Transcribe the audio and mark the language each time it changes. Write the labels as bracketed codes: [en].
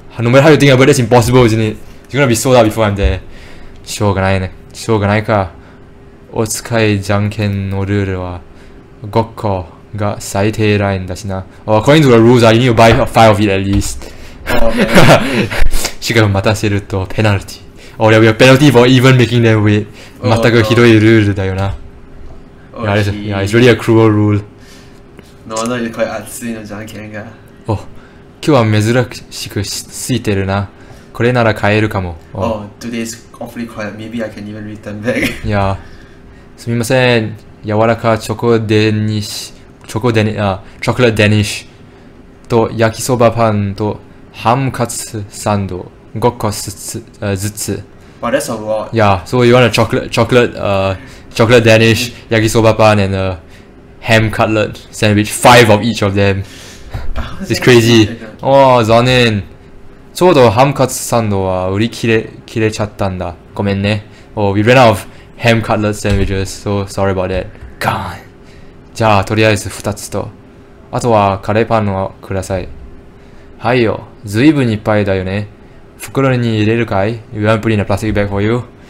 [en] No matter how you think about it, it's impossible, isn't it? You're gonna be sold out before I'm there. [ja] しょうがないね。しょうがないか。お使いじゃんけんのルールは5個が最低ラインだしな。 [en] Oh, according to the rules, you need to buy five of it at least. [ja] しかも待たせるとペナルティ。 [en] Oh, there will be a penalty for even making them wait. [ja] 全くひどいルールだよな。 [en] Yeah, it's really a cruel rule. No, no, you're quite [ja] 熱いのじゃんけんが。 [en] Oh. [ja] 今日は珍しくついてるな。これなら買えるかも。 [en] Oh, today is awfully quiet. Maybe I can even return back. い [ja] や、すみません。柔らかチョコデニッシュ、チョコデニッシュ、チョコレートデニッシュと焼きそばパンとハムカツサンド5個ずつ。 [en] But that's a lot. [ja] いや、そう、 [en] you want a chocolate, チョコレートデニッシュ、焼きそばパン and a ham cutlet sandwich, five of each of them. It's crazy. [ja] Oh, 残念。ちょうどハムカツサンドは売り切れちゃったんだ。ごめんね。 [en] Oh, we ran out of ham cutlet sandwiches, so sorry about that. Gone. [ja] じゃあ、とりあえず2つと。あとはカレーパンをください。はいよ。ずいぶんいっぱいだよね。袋に入れるかい ? [en] You want to put in a plastic bag for you?